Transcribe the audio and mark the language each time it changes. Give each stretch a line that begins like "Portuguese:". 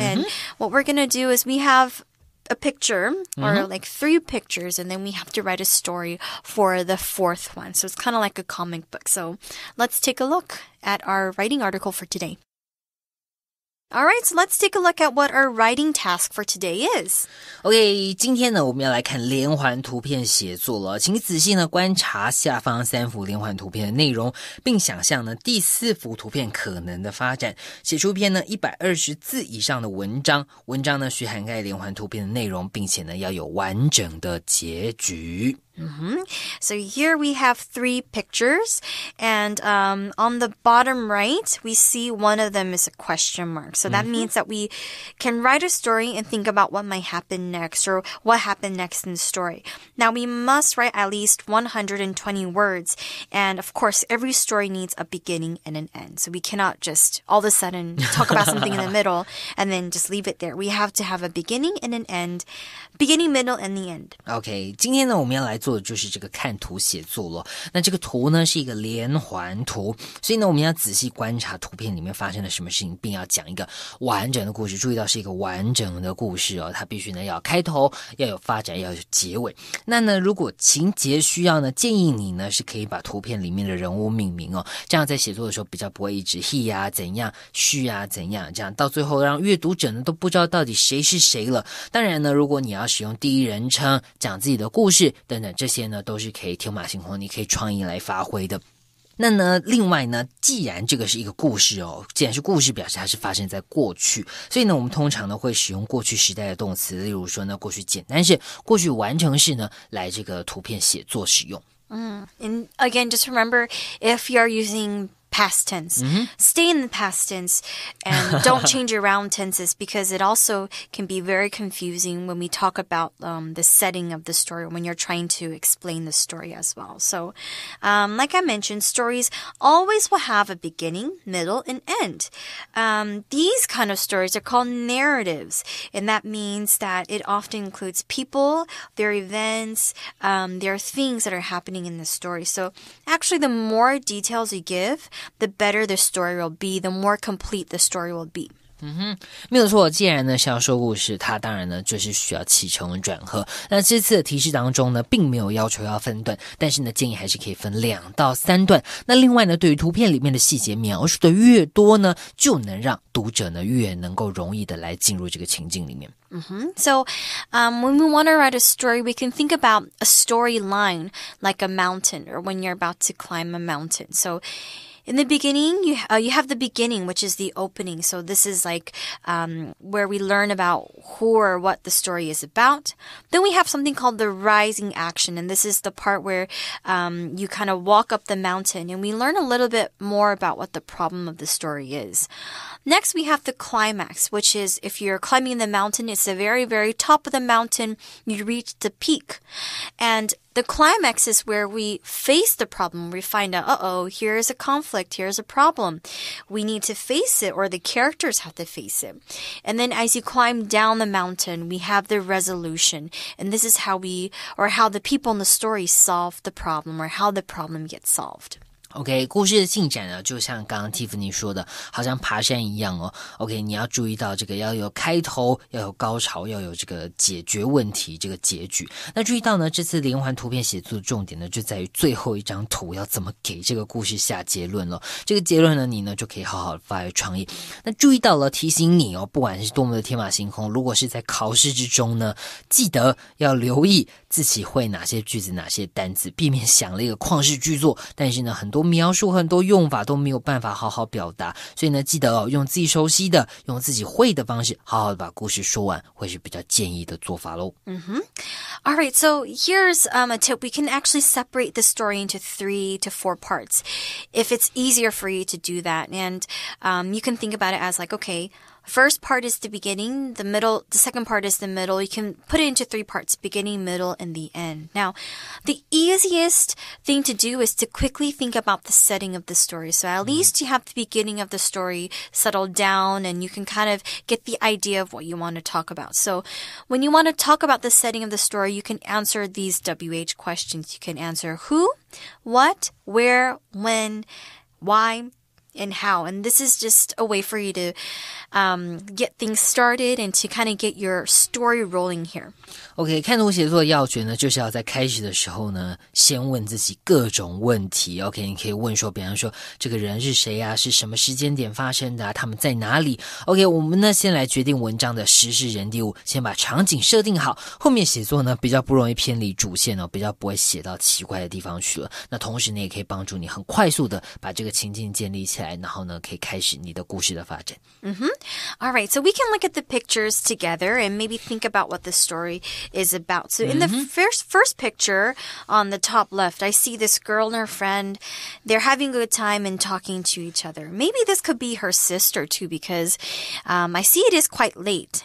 English: And what we're going to do is we have a picture, or like three pictures, and then we have to write a story for the fourth one. So it's kind of like a comic book. So let's take a look at our writing article for today. All right, so let's take a look at what our writing task for today is.
Chinese: Okay, 今天呢，我们要来看连环图片写作了。请仔细呢观察下方三幅连环图片的内容，并想象呢第四幅图片可能的发展，写出篇呢120字以上的文章。文章呢需涵盖连环图片的内容，并且呢要有完整的结局。 Mm-hmm.
English: So here we have three pictures, and on the bottom right, we see one of them is a question mark. So that means that we can write a story and think about what might happen next, or what happened next in the story. Now, we must write at least 120 words, and of course, every story needs a beginning and an end. So we cannot just all of a sudden talk about something in the middle and then just leave it there. We have to have a beginning and an end, beginning, middle, and the end.
Chinese: Okay, 今天呢，我们要来做的就是这个看图写作了。那这个图呢是一个连环图，所以呢我们要仔细观察图片里面发生了什么事情，并要讲一个完整的故事。注意到是一个完整的故事哦，它必须呢要开头，要有发展，要有结尾。那呢如果情节需要呢，建议你呢是可以把图片里面的人物命名哦，这样在写作的时候比较不会一直 he 啊怎样 she 啊怎样，这样到最后让阅读者呢都不知道到底谁是谁了。当然呢如果你要使用第一人称讲自己的故事等等，这些呢都是可以天马行空，你可以创意来发挥的。那呢另外呢，既然这个是一个故事哦，既然是故事，表示它是发生在过去，所以呢我们通常呢会使用过去时代的动词，例如说呢过去简单式、过去完成式呢来这个图片写作使用。
English: And again, just remember, if you are using past tense, stay in the past tense and don't change around tenses, because it also can be very confusing when we talk about the setting of the story when you're trying to explain the story as well. So, like I mentioned, stories always will have a beginning, middle, and end. These kind of stories are called narratives, and that means that it often includes people, their events, their things that are happening in the story. So, actually, the more details you give, the better the story will be, the more complete the story will be.
Chinese: 嗯哼，没有错，既然呢是要说故事，它当然呢就是需要起承转合。那这次的提示当中呢并没有要求要分段，但是呢建议还是可以分两到三段。那另外呢，对于图片里面的细节描述的越多呢，就能让读者呢越能够容易的来进入这个情境里面。 Mm-hmm.
English: So, when we want to write a story, we can think about a storyline like a mountain or when you're about to climb a mountain. So, in the beginning, you have the beginning, which is the opening. So, this is like where we learn about who or what the story is about. Then we have something called the rising action. And this is the part where you kind of walk up the mountain and we learn a little bit more about what the problem of the story is. Next, we have the climax, which is if you're climbing the mountain, it's the very, very top of the mountain, you reach the peak. And the climax is where we face the problem. We find out, uh-oh, here's a conflict, here's a problem. We need to face it, or the characters have to face it. And then as you climb down the mountain, we have the resolution. And this is how we, or how the people in the story solve the problem, or how the problem gets solved.
Chinese: OK, 故事的进展呢就像刚刚 Tiffany 说的好像爬山一样哦。 OK, 你要注意到这个要有开头，要有高潮，要有这个解决问题，这个结局。那注意到呢，这次连环图片写作的重点呢就在于最后一张图要怎么给这个故事下结论了。这个结论呢你呢就可以好好发挥创意。那注意到了，提醒你哦，不管是多么的天马行空，如果是在考试之中呢，记得要留意自己会哪些句子，哪些单词，避免想了一个旷世巨作，但是呢很多描述，很多用法都没有办法好好表达，所以呢记得哦，用自己熟悉的，用自己会的方式好好的把故事说完，会是比较建议的做法咯。
English: Mm-hmm. All right, so here's a tip. We can actually separate the story into 3 to 4 parts if it's easier for you to do that. And you can think about it as like, okay,First part is the beginning, the middle, the second part is the middle. You can put it into 3 parts, beginning, middle, and the end. Now, the easiest thing to do is to quickly think about the setting of the story. So at least you have the beginning of the story settled down and you can kind of get the idea of what you want to talk about. So when you want to talk about the setting of the story, you can answer these WH questions. You can answer who, what, where, when, why,and how. And this is just a way for you to get things started and to kind of get your story rolling here.
Chinese: OK, 看图写作的要诀呢就是要在开始的时候呢先问自己各种问题。 OK, 你可以问说，比方说这个人是谁啊，是什么时间点发生的啊，他们在哪里。 OK, 我们呢先来决定文章的时事人地物，先把场景设定好，后面写作呢比较不容易偏离主线哦，比较不会写到奇怪的地方去了。那同时呢也可以帮助你很快速的把这个情境建立起来，然后呢可以开始你的故事的发展。 Mm-hmm.
English: All right, so we can look at the pictures together and maybe think about what the story is about. So in the first picture on the top left, I see this girl and her friend. They're having a good time and talking to each other. Maybe this could be her sister too, because I see it is quite late.